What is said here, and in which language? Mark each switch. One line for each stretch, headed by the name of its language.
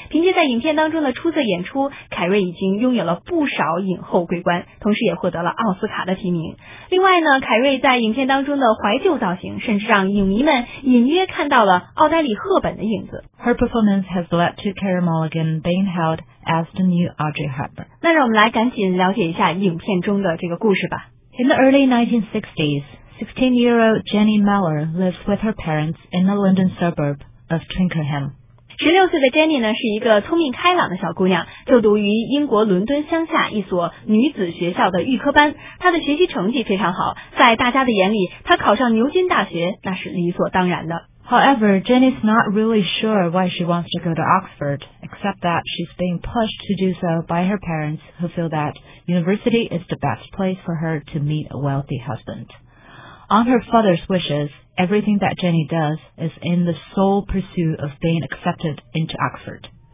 Chinese: 凭借在影片当中的出色演出，凯瑞已经拥有了不少影后桂冠，同时也获得了奥斯卡的提名。另外呢，凯瑞在影片当中的怀旧造型甚至让影迷们隐约看到了奥黛丽·赫本的影子。
English: Her performance has led to Carey Mulligan being held as the new Audrey Hepburn.
Chinese: 那让我们来赶紧了解一下影片中的这个故事吧。
English: In the early 1960s,16-year-old Jenny Mellor lives with her parents in the London suburb of Twickenham.
Chinese: 16岁的 Jenny 呢，是一个聪明开朗的小姑娘，就读于英国伦敦乡下一所女子学校的预科班。她的学习成绩非常好，在大家的眼里，她考上牛津大学那是理所当然的。
English: However, Jenny's not really sure why she wants to go to Oxford, except that she's being pushed to do so by her parents, who feel that university is the best place for her to meet a wealthy husband. On her father's wishes, everything that Jenny does is in the sole pursuit of being accepted into Oxford.